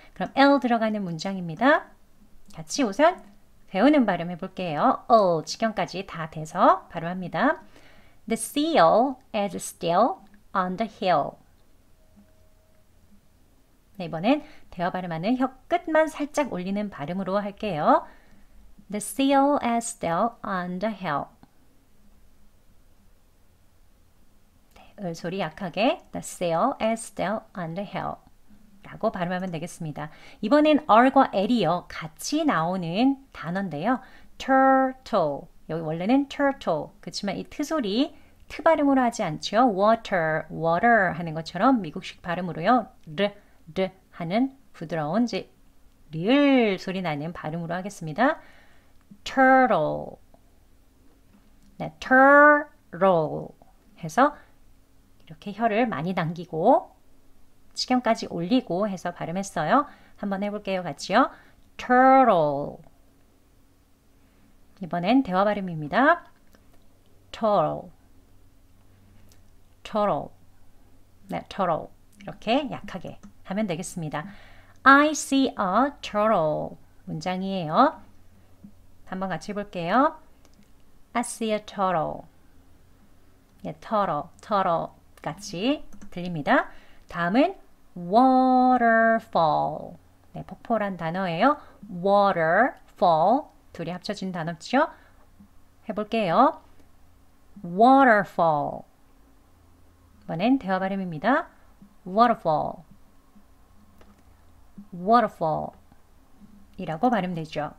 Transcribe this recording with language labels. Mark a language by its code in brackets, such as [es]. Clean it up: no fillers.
[ko] 그럼 L 들어가는 문장입니다. 같이 우선 배우는 발음 해볼게요. O 직경까지 다 돼서 발음합니다. [en] The seal is still on the hill. [ko] 네, 이번엔 대화 발음하는 혀 끝만 살짝 올리는 발음으로 할게요. [en] The seal is still on the hill. [ko] 을 소리 약하게 [en] The seal is still on the hill 라고 발음하면 되겠습니다. [ko] 이번엔 R과 L이요. 같이 나오는 단어인데요. turtle 여기 원래는 turtle 그렇지만 이 T 소리 T 발음으로 하지 않죠. water, water 하는 것처럼 미국식 발음으로요. R, R 하는 부드러운 이제 R 소리 나는 발음으로 하겠습니다. turtle 네, turtle 해서 이렇게 혀를 많이 당기고 직경까지 올리고 해서 발음했어요. 한번 해볼게요. 같이요. turtle 이번엔 대화 발음입니다. turtle turtle 네, turtle 이렇게 약하게 하면 되겠습니다. [en] I see a turtle [ko] 문장이에요. 한번 같이 해볼게요. [en] I see a turtle 네, turtle, turtle [ko] 같이 들립니다. 다음은 waterfall. 네, 폭포란 단어예요. waterfall 둘이 합쳐진 단어죠. 해볼게요. waterfall 이번엔 대화 발음입니다. waterfall waterfall 이라고 발음되죠.